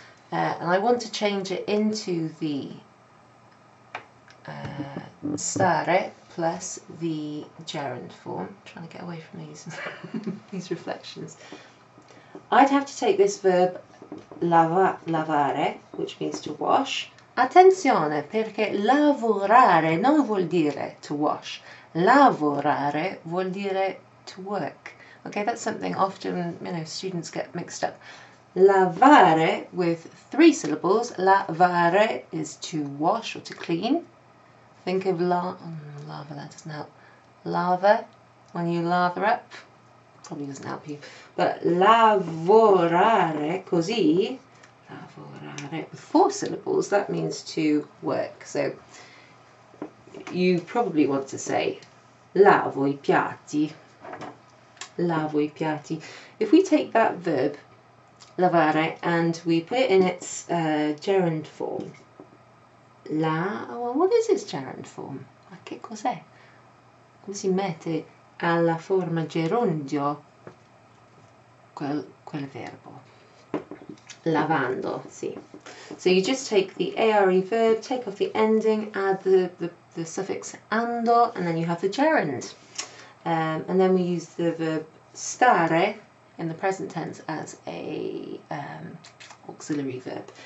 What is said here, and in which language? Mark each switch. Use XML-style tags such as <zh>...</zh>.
<en>And I want to change it into the stare plus the gerund form. I'm trying to get away from these reflections. I'd have to take this verb lavare, which means to wash.</en> <it>Attenzione, perché lavorare non vuol dire</it> <en>to wash.</en> <it>Lavorare vuol dire</it> <en>to work. Okay, that's something often, students get mixed up. Lavare with three syllables. Lavare is to wash or to clean. Think of lava, that doesn't help. Lava, when you lather up, probably doesn't help you. But lavorare così, lavorare with four syllables, that means to work. So you probably want to say</en> <it>lavo i piatti. Lavo i piatti.</it> <en>If we take that verb, lavare, and we put it in its gerund form, what is its gerund form?</en> <it>Ma che cos'è? Come si mette alla forma gerundio quel verbo? Lavando, sì.</it> <en>So you just take the are verb, take off the ending, add the suffix ando, and then you have the gerund. And then we use the verb stare in the present tense as a auxiliary verb.</en>